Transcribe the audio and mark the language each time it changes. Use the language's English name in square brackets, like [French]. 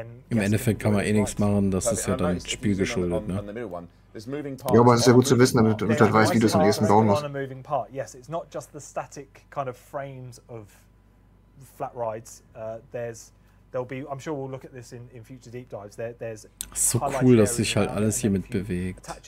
[German] Im Endeffekt kann man eh nichts machen, das ist ja dann spielgeschuldet, ne? Ja, aber es ist ja gut zu wissen, damit du weißt, wie du es am nächsten bauen musst. [English] Yes, it's not just the static kind of frames of flat rides. I'm sure we'll look at this in future deep dives. There's [German] so cool, dass sich halt alles hier mit bewegt.